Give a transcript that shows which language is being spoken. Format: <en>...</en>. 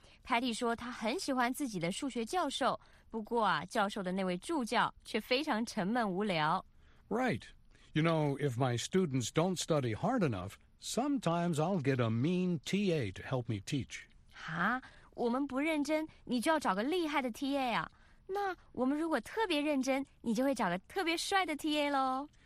<zh>Patty 说他很喜欢自己的数学教授，不过啊，教授的那位助教却非常沉闷无聊。</zh> <en>Right. You know, if my students don't study hard enough, sometimes I'll get a mean TA to help me teach.</en> <zh>哈，我们不认真，你就要找个厉害的 TA 啊。那我们如果特别认真，你就会找个特别帅的 TA 咯。</zh>